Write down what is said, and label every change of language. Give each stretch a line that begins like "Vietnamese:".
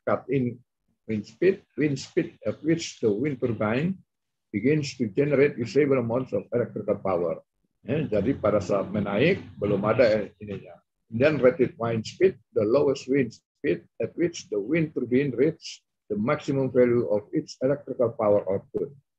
English: Cut-in wind speed at which the wind turbine begins to generate usable amounts of electrical power.
Indonesian: Ya, jadi pada saat menaik, belum ada ininya.
English: Kemudian rated wind speed, the lowest wind speed at which the wind turbine reaches the maximum value of its electrical power output.